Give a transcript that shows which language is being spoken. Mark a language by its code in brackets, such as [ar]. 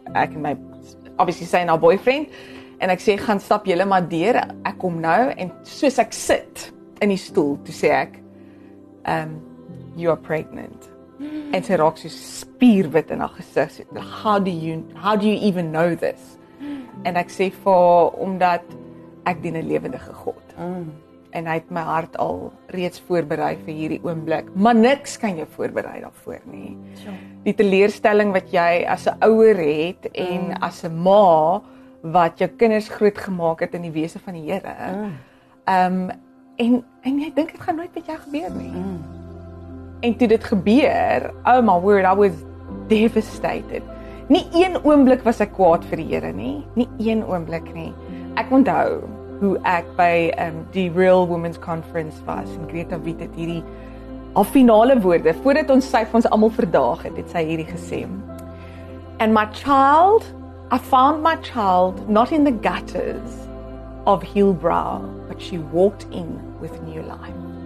[af] Ek en my obviously sê na boyfriend en ek sê, "Gaan stap julle maar deur, ek kom nou." En soos ek sit in die stoel, toe sê ek, [en] "You are pregnant." [af] En sy raak so spierwit in haar gesig. [en] How do you even know this? [af] En ek sê omdat ek dien 'n lewendige God. En hy het my hart al reeds voorberei vir hierdie oomblik. Maar niks kan jou voorberei daarvoor nie. Die teleurstelling wat jy as 'n ouer het en as 'n ma wat jou kinders groot gemaak het in die wese van die Here. En jy dink dit gaan nooit met jou gebeur nie. En toe dit gebeur, [en] oh my word, I was devastated. [af] Nie een oomblik was ek kwaad vir die Here nie. Nie een oomblik nie. Ek onthou hoe ek by die Real Women's Conference was en Greta Wiet het hierdie al finale woorde, voordat ons sy vir ons allemaal verdaag het, het sy hierdie gesê. [en] And my child, I found my child not in the gutters of Heelbrow, but she walked in with new life.